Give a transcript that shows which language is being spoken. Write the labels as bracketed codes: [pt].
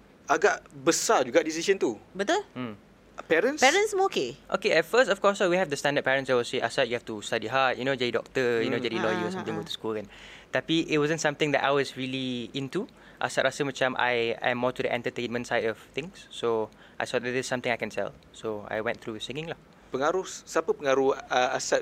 [ms] agak besar juga decision tu. Betul. [en] Parents [ms] semua okay? [en] Okay, at first, of course, we have the standard parents that will say, Asad, you have to study hard, you know, [ms] jadi doktor, [en] you know, jadi lawyer or something, go to school kan. [ms] Tapi [en] it wasn't something that I was really into. [ms] Asad rasa macam [en] I am more to the entertainment side of things. So, I saw that this is something I can sell. So, I went through singing lah. [ms] Pengaruh, siapa pengaruh Asad